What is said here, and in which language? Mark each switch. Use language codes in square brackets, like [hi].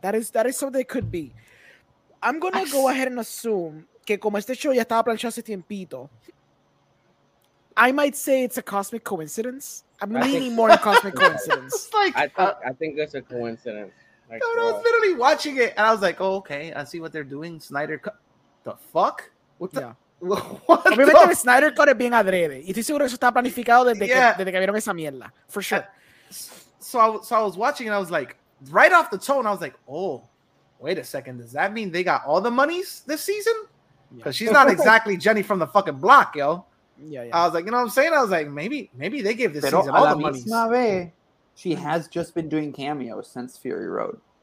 [en] That is something it could be. I'm going to go ahead and assume [es] que como este show ya estaba planchado hace tiempito, [en] I might say it's a cosmic coincidence. I'm leaning more on cosmic coincidence. I think that's a coincidence. Like, no, I was literally watching it and I was like, oh, okay, I see what they're doing. Snyder Cut. The fuck? What the? Yeah. What? Snyder Cut it being adrede. [es] Y estoy seguro que eso estaba planificado desde que vieron esa mierda. [en] For sure. So I was watching and I was like, right off the tone, I was like, oh, wait a second. Does that mean they got all the monies this season? Because she's not exactly Jenny from the fucking block, yo. Yeah. I was like, you know what I'm saying? I was like, maybe they gave this season all the monies. Vez, she has just been doing cameos since Fury Road.